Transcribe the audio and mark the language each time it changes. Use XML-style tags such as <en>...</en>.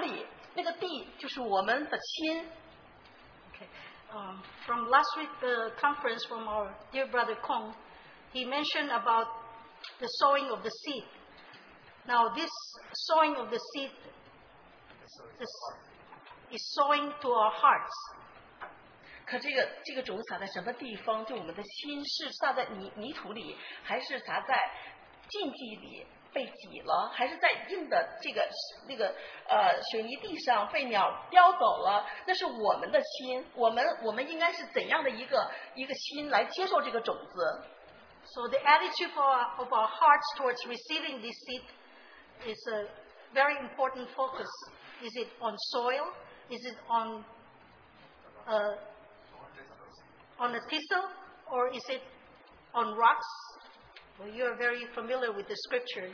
<zh>将弟兄在给我们做传达福音的时候，他说了一句话，他说：“天上我们天上的父，他的那个救赎，那个种子就如同神的心。我们今天我们弟兄姊妹，这个种子掉在哪里？那个地就是我们的心。”</zh> <en>From last week the conference from our dear brother Kong, he mentioned about the sowing of the seed. Now this sowing of the seed is sowing to our hearts.</en> <zh>可这个种撒在什么地方？就我们的心是撒在泥土里，还是撒在硬的这个水泥地上被鸟叼走了？那是我们的心，我们应该是怎样的一个心来接受这个种子？</zh> <en>So the attitude of our hearts towards receiving this seed is a very important focus. Is it on soil? Is it on a thistle? Or is it on rocks? Well, you are very familiar with the scripture.</en>